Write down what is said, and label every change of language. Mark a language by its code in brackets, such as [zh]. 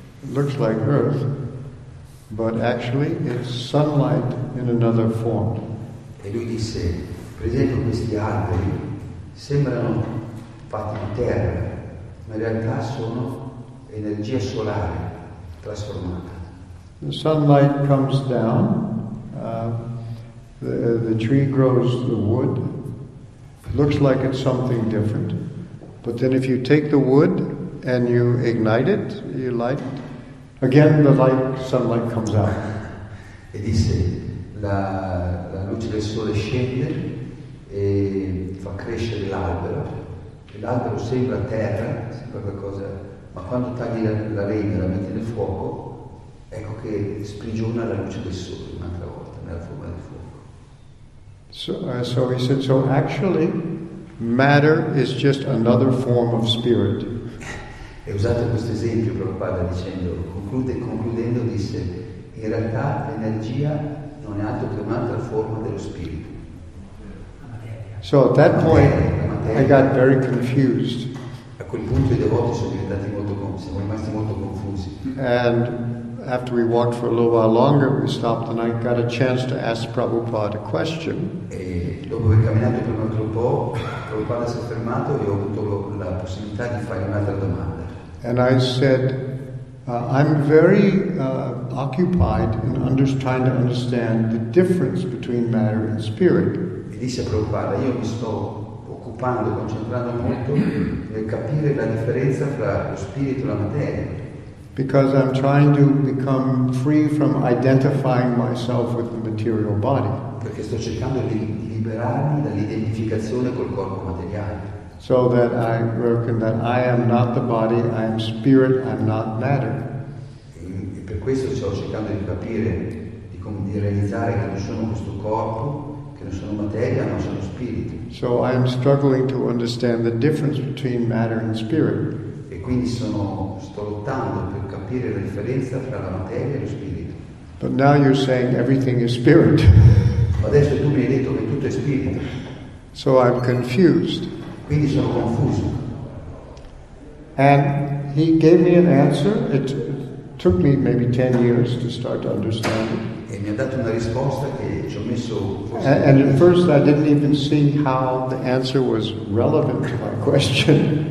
[en] Looks like earth, but actually it's sunlight in another form. [it] E lui disse, per esempio questi alberi sembrano fatti di terra, ma in realtà sono energia solare trasformata. [en] The sunlight comes down, the tree grows the wood, looks like it's something different, but then if you take the wood and you ignite it, you light it. Again, the light, sunlight comes out. [it] E disse, la luce del sole scende e fa crescere l'albero. E l'albero sembra terra, sembra qualcosa, ma quando tagli la legna e la metti nel fuoco, ecco che sprigiona la luce del sole un'altra volta nella forma di fuoco. [en] So he said, so actually matter is just another form of spirit. [it] E usato questo esempio Prabhupada dicendo, concludendo disse, in realtà l'energia non è altro che un'altra forma dello spirito. [en] So at that point I got very confused. [it] A quel punto i devoti sono rimasti molto confusi. [en] And after we walked for a little while longer, we stopped and I got a chance to ask Prabhupada a question. [it] E dopo aver camminato per un altro po', Prabhupada si è fermato e ho avuto la possibilità di fare un'altra domanda. [en] And I said, I'm very occupied in trying to understand the difference between matter and spirit. [it] E disse Prabhupada, io mi sto occupando, concentrando molto nel capire la differenza fra lo spirito e la materia. [en] Because I'm trying to become free from identifying myself with the material body. [it] Perché sto cercando di liberarmi dall'identificazione col corpo materiale. [en] So that I reckon that I am not the body, I am spirit, I am not matter. [it] E per questo sto cercando di capire, di realizzare che non sono questo corpo, che non sono materia, ma sono spirito. [en] So I am struggling to understand the difference between matter and spirit. [it] E quindi sto lottando per capire la differenza fra la materia e lo spirito. [en] But now you're saying everything is spirit. [it] Ma adesso tu mi hai detto che tutto è spirito. [en] So I'm confused. [it] Quindi sono confuso. [en] And he gave me an answer. It took me maybe 10 years to start to understand it. [it] E mi ha dato una risposta che ci ho messo. [en] And at first I didn't even see how the answer was relevant to my question.